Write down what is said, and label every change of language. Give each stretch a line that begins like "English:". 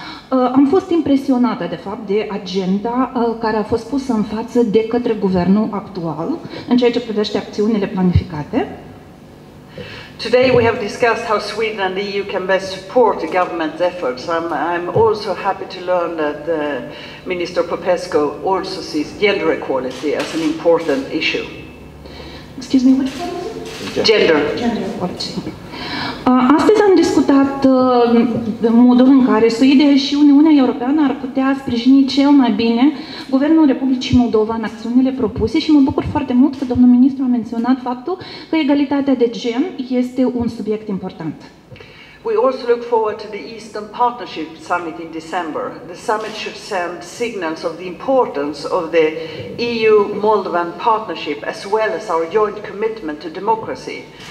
Romanian: Am fost impresionată, de fapt, de agenda care a fost pusă în față de către guvernul actual în ceea ce privește acțiunile planificate.
English: Today we have discussed how Sweden and the EU can best support the government's efforts. I'm also happy to learn that Minister Popescu also sees gender equality as an important issue. Excuse me, which one? Gender equality.
Romanian: Astăzi am discutat modul în care Suedia și Uniunea Europeană ar putea sprijini cel mai bine Guvernul Republicii Moldova în acțiunile propuse și mă bucur foarte mult că domnul ministru a menționat faptul că egalitatea de gen este un subiect important.
English: We also look forward to the Eastern Partnership Summit in December. The summit should send signals of the importance of the EU-Moldovan partnership as well as our joint commitment to democracy.